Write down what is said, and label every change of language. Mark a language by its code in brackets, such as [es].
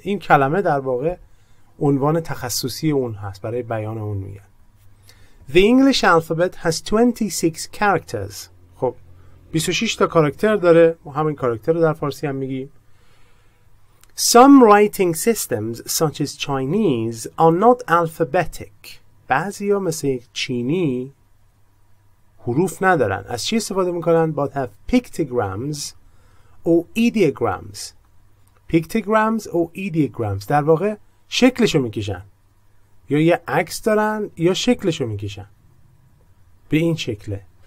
[fa] این کلمه در واقع عنوان تخصصی اون هست، برای بیان اون میگن. [en] The English alphabet has 26 characters. [fa] خب 26 تا کاراکتر داره، ما همین کاراکتر رو در فارسی هم میگیم. [en] Some writing systems such as Chinese are not alphabetic. [fa] بعضی ها مثل چینی حروف ندارن. از چی استفاده میکنن؟ [en] But have pictograms or ideograms. Pictograms or ideograms [fa] در واقع شکلشو میکشن، یا یه عکس دارن یا شکلشو میکشن به این شکله.